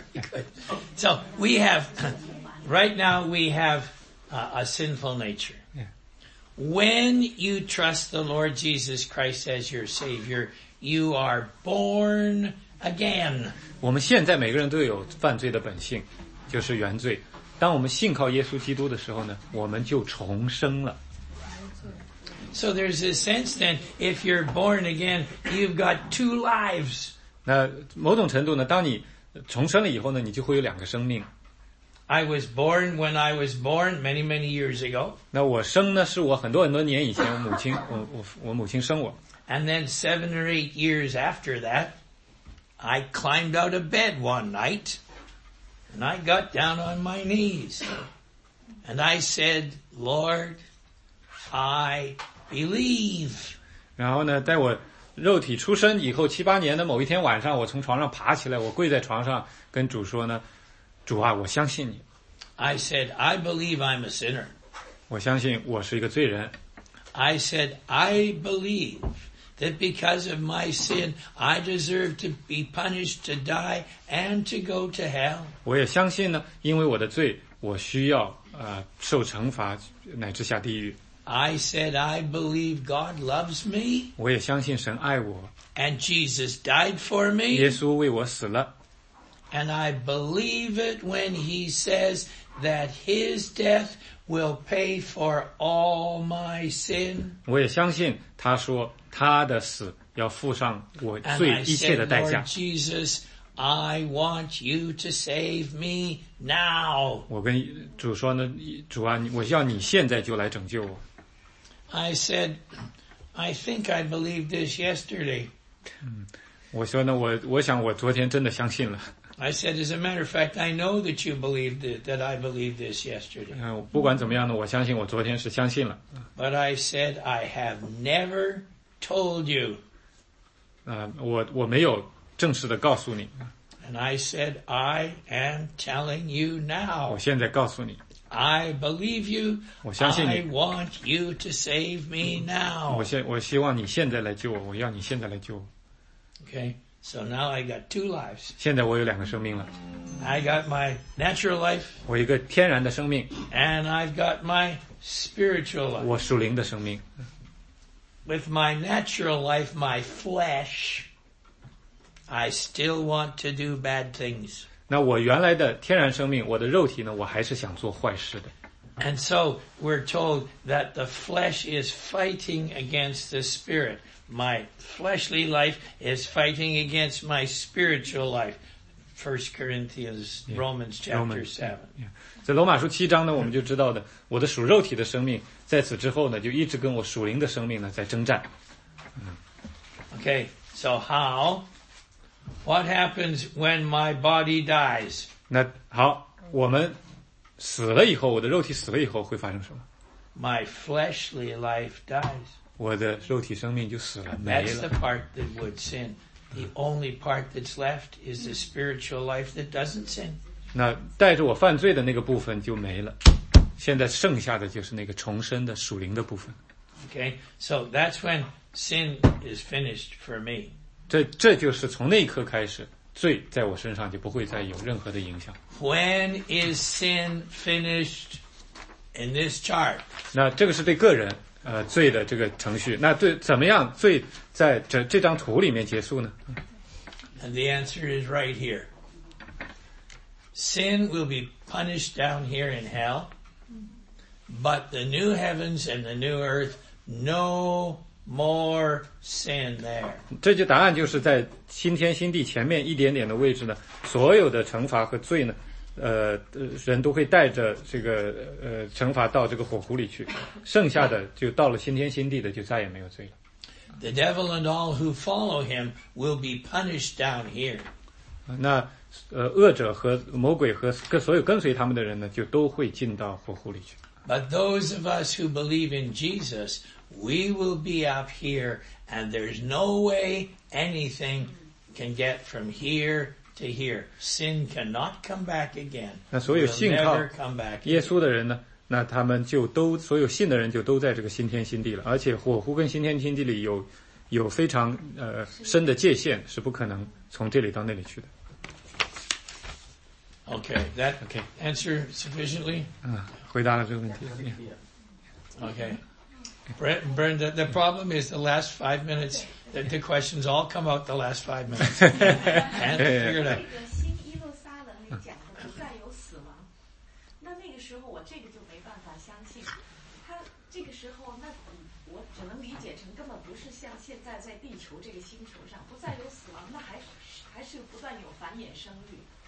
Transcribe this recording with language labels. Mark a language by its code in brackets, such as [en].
[en] Good. So we have, right now we have a sinful nature. Yeah. When you trust the Lord Jesus Christ as your Savior, you are born again. [zh] 我们现在每个人都有犯罪的本性，就是原罪。当我们信靠耶稣基督的时候呢，我们就重生了。 [en] So there's a sense then, if you're born again, you've got two lives. [zh] 那某种程度呢，当你重生了以后呢，你就会有两个生命。 [en] I was born when I was born many, many years ago. [zh] 那我生呢，是我很多很多年以前，我母亲生我。 [en] And then 7 or 8 years after that, I climbed out of bed one night, and I got down on my knees, and I said, Lord, I believe. [zh] 然后呢，在我肉体出生以后七八年的某一天晚上，我从床上爬起来，我跪在床上跟主说呢，主啊，我相信你。 [en] I said, I believe I'm a sinner. [zh] 我相信我是一个罪人。 [en] I said, I believe that because of my sin, I deserve to be punished, to die, and to go to hell. [zh] 我也相信呢，因为我的罪，我需要受惩罚乃至下地狱。 [en] I said, I believe God loves me. [zh] 我也相信神爱我。 [en] And Jesus died for me. [zh] 耶稣为我死了。 [en] And I believe it when he says that his death will pay for all my sin. [zh] 我也相信他说他的死要付上我罪一切的代价。 [en] And I said, Lord Jesus, I want you to save me now. [zh] 我跟主说呢，主啊，我要你现在就来拯救我。 [en] I said, I think I believed this yesterday. [zh] 我说呢，我想我昨天真的相信了。 [en] I said, as a matter of fact, I know that you believed it, that I believed this yesterday. [zh] 不管怎么样呢，我相信我昨天是相信了。 [en] But I said, I have never told you. [zh] 我没有正式的告诉你。 [en] And I said, I am telling you now. [zh] 我现在告诉你。 [en] I believe you. [zh] 我相信你。 [en] I want you to save me now. [zh] 我希望你现在来救我，我要你现在来救我。 [en] Okay, so now I got two lives. [zh] 现在我有两个生命了。 [en] I got my natural life. [zh] 我一个天然的生命。 [en] And I've got my spiritual life. [zh] 我属灵的生命。 [en] With my natural life, my flesh, I still want to do bad things. [zh] 那我原来的天然生命，我的肉体呢，我还是想做坏事的。 [en] And so we're told that the flesh is fighting against the spirit. My fleshly life is fighting against my spiritual life. 1 Corinthians, yeah, Romans chapter 7. [zh] 在罗马书七章呢，我们就知道的，我的属肉体的生命在此之后呢，就一直跟我属灵的生命呢在征战。 [en] Okay, so how... What happens when my body dies? [zh] 那好，我们死了以后，我的肉体死了以后会发生什么？ [en] My fleshly life dies. [zh] 我的肉体生命就死了，没了。 [en] That's the part that would sin. The only part that's left is the spiritual life that doesn't sin. [zh] 那带着我犯罪的那个部分就没了。现在剩下的就是那个重生的属灵的部分。 [en] Okay, so that's when sin is finished for me. [zh] 这就是从那一刻开始，罪在我身上就不会再有任何的影响。 [en] When is sin finished in this chart? [zh] 那这个是对个人罪的这个程序。那对怎么样罪在这张图里面结束呢？ [en] And the answer is right here. Sin will be punished down here in hell, but the new heavens and the new earth, no more sin there. [zh] 这就答案就是在新天新地前面一点点的位置呢，所有的惩罚和罪呢，人都会带着这个惩罚到这个火湖里去，剩下的就到了新天新地的就再也没有罪了。 [en] The devil and all who follow him will be punished down here. [zh] 那恶者和魔鬼和所有跟随他们的人呢，就都会进到火湖里去。 [en] But those of us who believe in Jesus, we will be up here, and there's no way anything can get from here to here. Sin cannot come back again. [zh] 那所有信靠耶稣的人呢？那他们就都所有信的人就都在这个新天新地了，而且火湖跟新天新地里有非常深的界限，是不可能从这里到那里去的。 [en] Okay, that okay. Answer sufficiently. [zh] 回答了这个问题。 [en] Yeah. Okay, Brenda, the problem is the last 5 minutes. The questions all come out the last 5 minutes. Can't figure it out. [zh] 那个新耶路撒冷里讲的不再有死亡，那那个时候我这个就没办法相信。他这个时候呢，那我只能理解成根本不是像现在在地球这个星球上不再有死亡，那还是不断有繁衍生育。